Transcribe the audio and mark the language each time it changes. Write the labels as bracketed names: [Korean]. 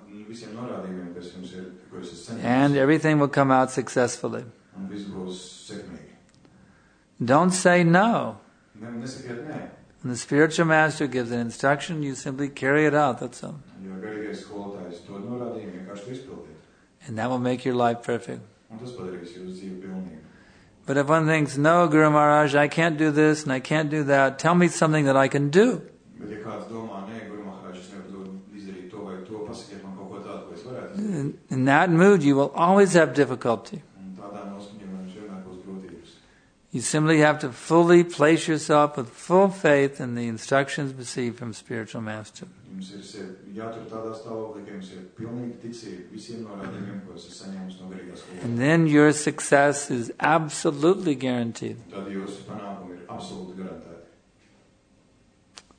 [Latvian] visiem norādījumiem, kas jums ir, kas esat saņēmis. [English] And everything will come out successfully. [Latvian] Un viss būs sekmīgi. [English] Don't say no. [Latvian] Nesakiet nē. [English] When the spiritual master gives an instruction, you simply carry it out, that's all. [Latvian] Jo garīgais skolotājs to norādījumi, vienkārši to izpildīt. [English] And that will make your life perfect. [Latvian] Un tas padarīs jūsu dzīvi pilnīgu. [English] But if one thinks, no, Guru Maharaj, I can't do this and I can't do that, tell me something that I can do. [Latvian] Bet ja kāds domā, nē, Guru Maharaj, es nevaru izdarīt to vai to, pasakiet man kaut ko tādu, ko es varētu. [English] In that mood, you will always have difficulty. [Latvian] Un tādā noskaņā man vienmēr būs grūtības. [English] You simply have to fully place yourself with full faith in the instructions received from spiritual master. [Latvian] Jums ir jātur tādā stāvoklī, ka jums ir pilnīga ticība visiem norādījumiem, ko esat saņēmis no garīgās skolas. [English] And then your success is absolutely guaranteed. [Latvian] Tad jūsu panākumi ir absolūti garantēti.